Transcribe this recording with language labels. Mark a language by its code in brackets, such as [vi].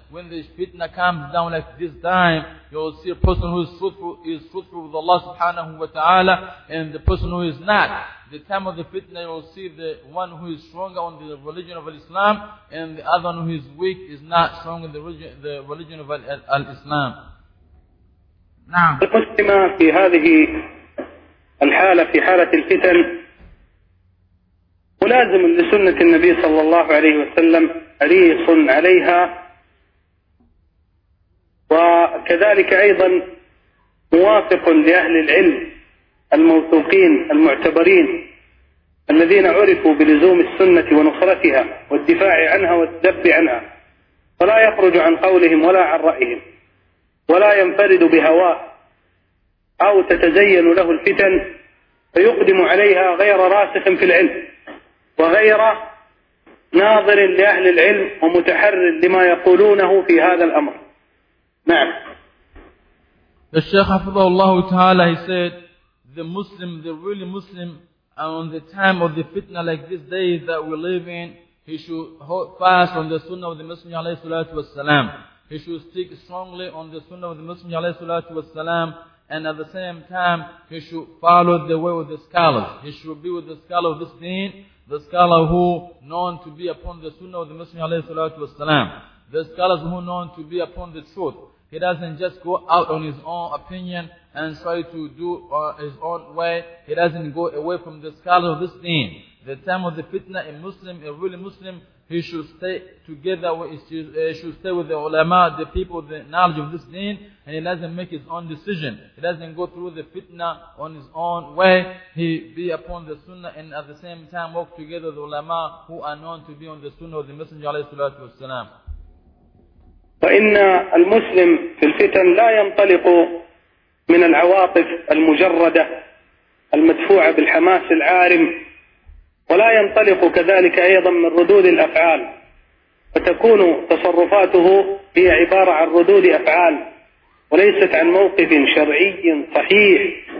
[en] When the fitna comes down like this time, you will see a person who is truthful with Allah subhanahu wa ta'ala, and the person who is not. The time of the fitna, you will see the one who is stronger on the religion of Islam, and the other one who is weak is not strong in the religion of Islam. [ar] نعم. المسلم في هذه الحالة في حالة الفتن ملازم لسنة النبي صلى الله عليه وسلم حريص عليها, وكذلك أيضا موافق لأهل العلم الموثوقين المعتبرين الذين عرفوا بلزوم السنة ونصرتها والدفاع عنها والتدبي عنها, فلا يخرج عن قولهم ولا عن رأيهم ولا ينفرد بهواء أو تتزين له الفتن فيقدم عليها غير راسخ في العلم وغير ناظر لأهل العلم ومتحر لما يقولونه في هذا الأمر. نعم. الشيخ حفظه الله تعالى, [en] he said the Muslim, the really Muslim, on the time of the fitna like this day that we live in, he should hold fast on the sunnah of the Messenger alayhi salatu wasalam. He should stick strongly on the sunnah of the Messenger alayhi salatu wasalam, and at the same time he should follow the way of the scholars. He should be with the scholar of this deen, the scholar who known to be upon the sunnah of the Messenger alayhi salatu wasalam, the scholars who known to be upon the truth. He doesn't just go out on his own opinion and try to do his own way. He doesn't go away from the scholar of this deen. The time of the fitna, a Muslim, a really Muslim, he should stay together, he should stay with the ulama, the people, the knowledge of this deen, and he doesn't make his own decision. He doesn't go through the fitna on his own way. He be upon the sunnah and at the same time walk together with the ulama who are known to be on the sunnah of the Messenger alayhi salatu wasalam. [ar] فإن المسلم في الفتن لا ينطلق من العواطف المجردة المدفوعة بالحماس العارم، ولا ينطلق كذلك أيضا من ردود الأفعال، فتكون تصرفاته هي عبارة عن ردود أفعال وليست عن موقف شرعي صحيح.